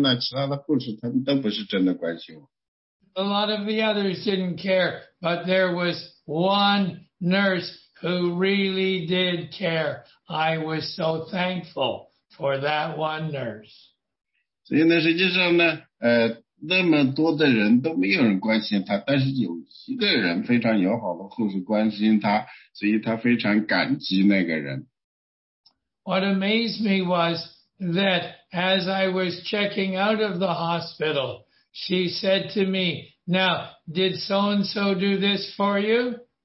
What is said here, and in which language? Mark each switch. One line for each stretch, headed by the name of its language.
Chinese: 因为实际上呢，他说呢，当时呢，他病得非常重，他也非常的虚弱。他的那个友好的护士说，说你让我感觉到你是那个唯一的关心我的人。你甚至医生呢，其他的护士他们都不是真的关心我。
English: A lot of the others didn't care, but there was one nurse who really did care. I was so thankful for that one nurse.
Chinese: 所以呢，实际上呢，那么多的人都没有人关心他，但是有一个人非常友好的护士关心他，所以他非常感激那个人。
English: What amazed me was that as I was checking out of the hospital, she said to me, now, did so-and-so do this for you?